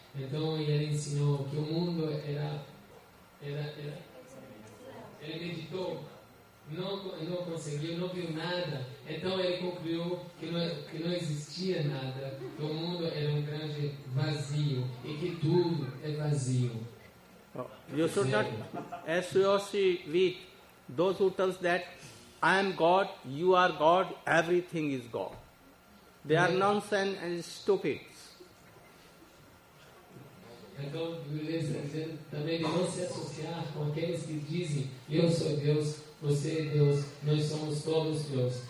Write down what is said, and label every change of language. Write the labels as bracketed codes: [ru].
[pt] Então ele ensinou que o mundo era. Ele meditou, não conseguiu, não viu nada. Então ele concluiu que não existia nada, que o mundo era um grande vazio e que tudo é vazio. [en] You should not associate with those who tell that I am God, you are God, everything is God. They are nonsense and stupid. [pt] Então, também não se associar com aqueles que dizem eu sou Deus, você é Deus, nós somos todos Deus.